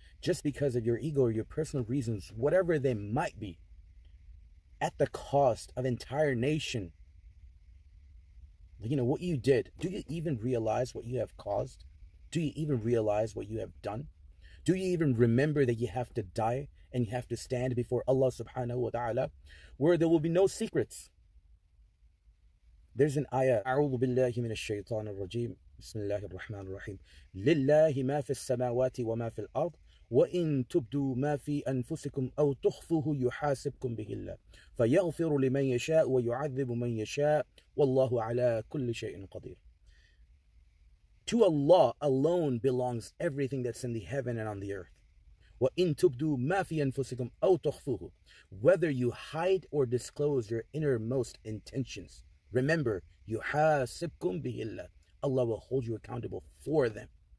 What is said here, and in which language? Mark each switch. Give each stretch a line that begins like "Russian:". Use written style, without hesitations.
English: Just because of your ego or your personal reasons, whatever they might be, at the cost of entire nation, you know, what you did, do you even realize what you have caused? Do you even realize what you have done? Do you even remember that you have to die and you have to stand before Allah subhanahu wa ta'ala, where there will be no secrets? There's an ayah,
Arabic: أعوذ بالله من الشيطان الرجيم بسم الله الرحمن الرحيم لله ما في السماوات وما في الأرض وَإِن تُبْدُوا مَا فِي أَنفُسِكُمْ أَوْ تُخْفُوهُ يُحَاسِبْكُمْ بِهِ اللَّهُ فَيَغْفِرُ لِمَن يَشَاءُ وَيُعَذِّبُ مَن يَشَاءُ وَاللَّهُ عَلَى كُلِّ شَيْءٍ قَدِيرٌ.
English: To Allah alone belongs everything that's in the heaven and on the earth.
Arabic: وَإِن تُبْدُوا مَا فِي أَنفُسِكُمْ أَوْ تُخْفُوهُ,
English: whether you hide or disclose your innermost intentions, remember,
Arabic: يُحَاسِبْكُمْ بِهِ اللَّهُ,
English: Allah will hold you accountable for them.